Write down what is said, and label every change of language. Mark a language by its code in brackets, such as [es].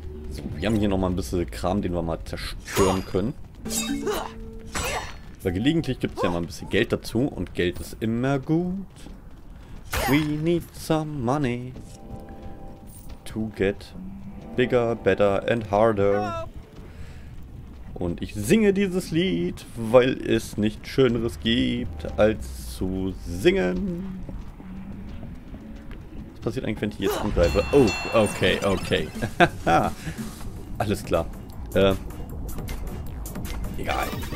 [de] So, wir haben hier nochmal ein bisschen Kram, den wir mal zerstören können. Aber gelegentlich gibt es ja mal ein bisschen Geld dazu. Und Geld ist immer gut. [en] We need some money to get bigger, better and harder. [de] Und ich singe dieses Lied, weil es nichts Schöneres gibt, als zu singen. Was passiert eigentlich, wenn ich jetzt angreife? Oh, okay, okay. Alles klar. Egal.